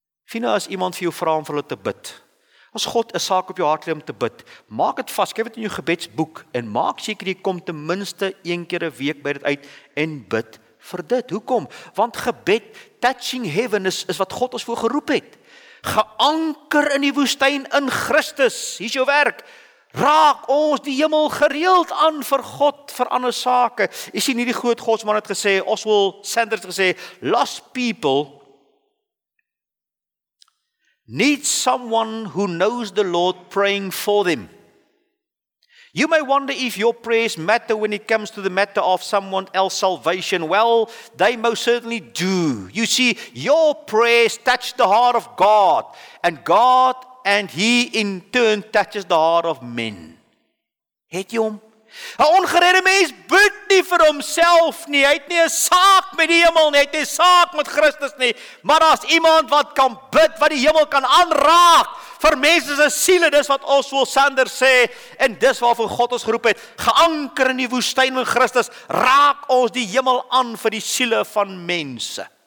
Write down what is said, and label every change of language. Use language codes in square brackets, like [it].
[af] Fina, as iemand vir jou vraag om vir hulle te bid, as God een saak op jou hart lê om te bid, maak het vast, skryf het in jou gebedsboek, en maak seker, jy kom ten minste 1 keer 'n week by dit uit, en bid, vir dit, hoekom? Want gebed, [en] touching heaven [af] is wat God ons voor geroep het. Geanker in die woestijn in Christus, hier is jou werk, raak ons die hemel gereeld aan vir God, vir ander sake. Jy sien hier die groot godsman het gesê, Oswald Sanders het gesê, [en] lost people need someone who knows the Lord praying for them. You may wonder if your prayers matter when it comes to the matter of someone else's salvation. Well, they most certainly do. You see, your prayers touch the heart of God, and God and He in turn touches the heart of men. [af] Het jy hom? 'N ongeredde mens bid nie vir homself nie, hy het nie 'n saak met die hemel nie, hy het nie 'n saak met Christus nie, maar as iemand wat kan bid, wat die hemel kan aanraak, vir mense se siele, dis wat Oswald Sanders sê, en dis waarvoor God ons geroep het, geanker in die woestyn in Christus, raak ons die hemel aan vir die siele van mense.